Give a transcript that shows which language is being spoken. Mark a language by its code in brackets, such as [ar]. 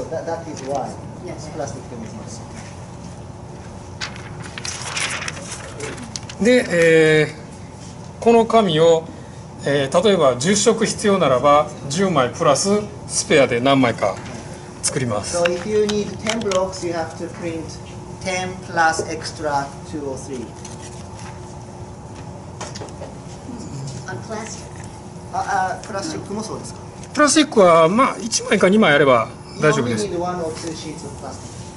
[en] Also, that is why plastic film is necessary. [ja] で、この紙を、例えば10色必要ならば10枚プラススペアで何枚か作ります。 [en] So if you need 10 blocks, you have to print 10 plus extra 2 or 3 on plastic? [ja] プラスチックもそうですか。プラスチックは、まあ、1枚か2枚あれば大丈夫です。 [en] You only need 1 or 2 sheets of plastic